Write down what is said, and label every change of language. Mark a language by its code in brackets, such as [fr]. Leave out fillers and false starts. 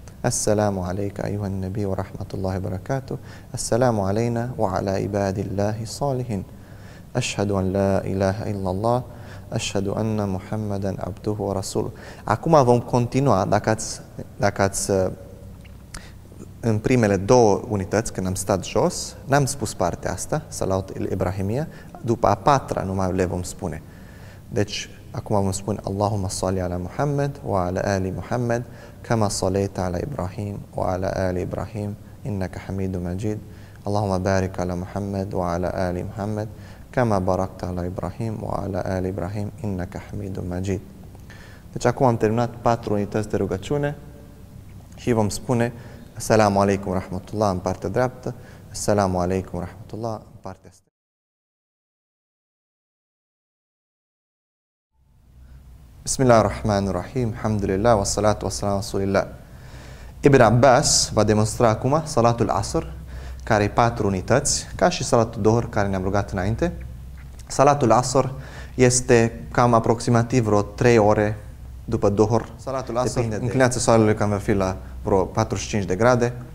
[ar] السلام عليك أيها النبي ورحمة الله وبركاته السلام علينا وعلى عباد الله الصالحين أشهد أن لا إله إلا الله أشهد أن محمدا عبده ورسوله. [ro] Acum vom continua, dacă ați în primele două unități, când am stat jos, n-am spus partea asta, Salat al-Ibrahimia, după a patra numai le vom spune. Deci, acum vom spune [ar] Allahumma salli ala Muhammad wa ala ali Muhammad كما صليت على إبراهيم وعلى آل إبراهيم إنك حميد مجيد اللهم بارك على محمد وعلى آل محمد كما باركت على إبراهيم وعلى آل إبراهيم إنك حميد مجيد. [ro] Deci acum am terminat patru unități de rugăciune și vom spune [ar] السلام عليكم ورحمة الله [ro] în partea dreaptă, [ar] السلام عليكم ورحمة الله [ro] în partea stângă. [ar] بسم الله الرحمن الرحيم الحمد لله والصلاة والسلام على رسول الله. [ro] ابن عباس va demonstra acum salatul asr, care e patru unități, ca și salatul dohr care ne-am rugat înainte. Salatul asr este cam aproximativ vreo 3 ore după dohr. Salatul asr de înclinația soarelui cam va fi la vreo 45 de grade.